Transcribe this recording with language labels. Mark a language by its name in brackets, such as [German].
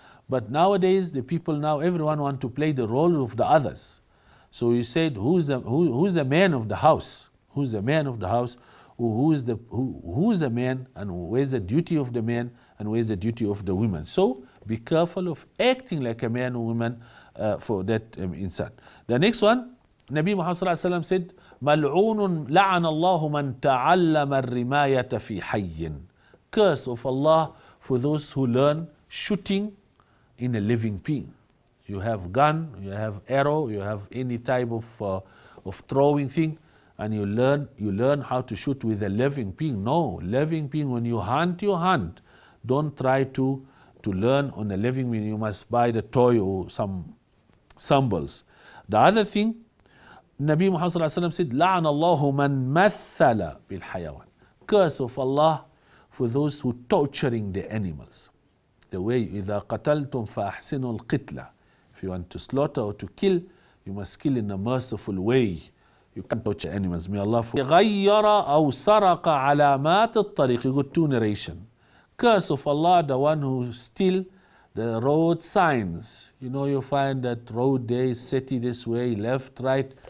[English] But nowadays, the people now, everyone want to play the role of the others. So you said, who's the man of the house? Who's the man of the house? Who's the man, and where's the duty of the man, and where's the duty of the woman? So be careful of acting like a man or woman for that insan. The next one, Nabi Muhammad SAW said, [Arabic] مَلْعُونٌ لَعَنَ اللَّهُ مَنْ تَعَلَّمَ الرِّمَايَةَ فِي حَيٍّ. [English] Curse of Allah for those who learn shooting in a living being. You have gun, you have arrow, you have any type of throwing thing, and you learn how to shoot with a living being. No, living being, when you hunt, you hunt. Don't try to learn on a living being. You must buy the toy or some symbols. The other thing, Nabi Muhammad SAW said, [Arabic] لَعَنَ اللَّهُ مَنْ مَثَّلَ بِالْحَيَوَانِ. [English] Curse of Allah for those who torturing the animals. The way, [Arabic] إِذَا قَتَلْتُمْ فَأَحْسِنُوا الْقِتْلَةِ. [English] If you want to slaughter or to kill, you must kill in a merciful way. You can't torture animals. May Allah forgive. [Arabic] غَيَّرَ أَوْ سَرَقَ عَلَامَاتِ الطَّرِيقِ. [English] You got two narration. Curse of Allah, the one who steal the road signs. You know, you find that road there is city this way, left, right.